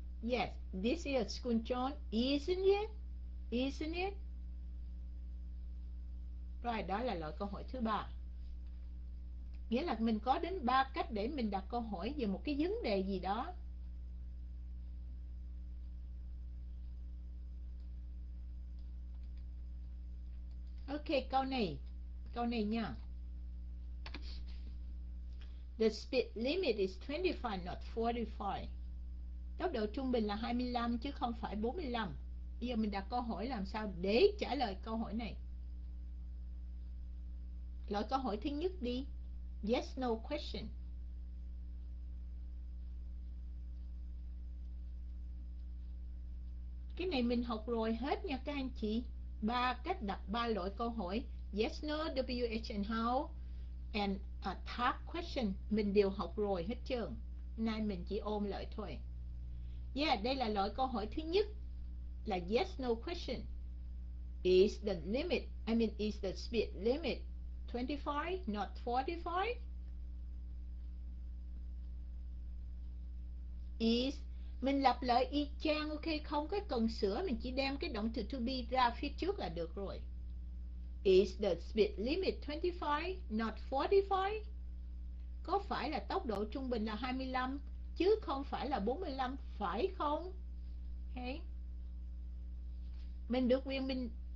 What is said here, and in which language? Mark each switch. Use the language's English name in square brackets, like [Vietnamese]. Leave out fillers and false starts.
[English] Yes, this is a school zone, isn't it? Isn't it? [Vietnamese] Right, đó là loại câu hỏi thứ ba. Nghĩa là mình có đến ba cách để mình đặt câu hỏi về một cái vấn đề gì đó. Ok, câu này nha. [English] The speed limit is 25, not 45. [Vietnamese] Tốc độ trung bình là 25 chứ không phải 45. Bây giờ mình đặt câu hỏi làm sao để trả lời câu hỏi này. Loại câu hỏi thứ nhất đi. [English] Yes, no question. [Vietnamese] Cái này mình học rồi hết nha các anh chị. Ba cách đặt ba loại câu hỏi. [English] Yes, no, WH and how, and a tough question. [Vietnamese] Mình đều học rồi hết trơn. Nay mình chỉ ôm lại thôi. Yeah, đây là loại câu hỏi thứ nhất. [English] Là yes, no question. Is the limit, I mean is the speed limit 25, not 45? [Vietnamese] Is, mình lặp lại y chang, ok, không có cần sửa, mình chỉ đem cái động từ to be ra phía trước là được rồi. [English] Is the speed limit 25, not 45? [Vietnamese] Có phải là tốc độ trung bình là 25, chứ không phải là 45, phải không? Okay. Mình được quyền mình...